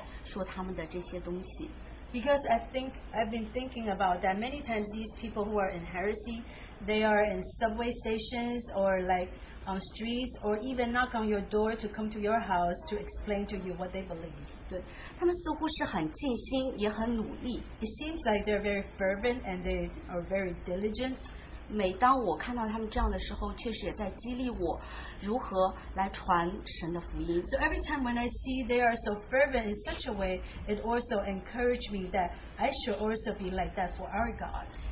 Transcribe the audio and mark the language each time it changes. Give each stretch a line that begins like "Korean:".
Chinese: 我也在想，有些时候像这些异端，我常常看到他们在地铁口、在街道上，甚至敲门到我家来说他们的这些东西。Because
English: I think I've been thinking about that many times. These people who are in heresy, they are in subway stations or like on streets or even knock on your door to come to your house to explain to you what they believe.
Chinese: 对，他们似乎是很尽心，也很努力。
English: It seems like they're very fervent and they are very diligent.
Chinese: 每当我看到他们这样的时候，确实也在激励我如何来传神的福音。
English: So every time when I see they are so fervent in such a way, it also encouraged me that I should also be like that for our God.